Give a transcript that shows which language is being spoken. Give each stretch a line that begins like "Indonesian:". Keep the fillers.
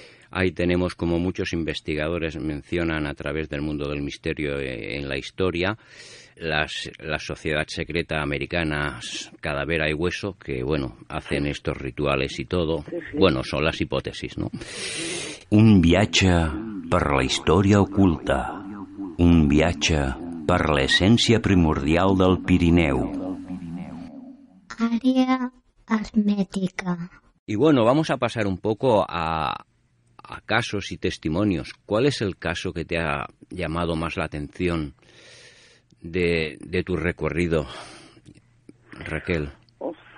Spanish: Ahí tenemos, como muchos investigadores mencionan a través del mundo del misterio eh, en la historia, las, la sociedad secreta americana s- Calavera y Hueso, que, bueno, hacen estos rituales y todo. Bueno, son las hipótesis, ¿no?
Catalan: Un viatge per la història oculta. Un viatge per l'essència primordial del Pirineu.
Spanish: Área hermética. Y bueno, vamos a pasar un poco a, a casos y testimonios. ¿Cuál es el caso que te ha llamado más la atención de, de tu recorrido, Raquel? Uf.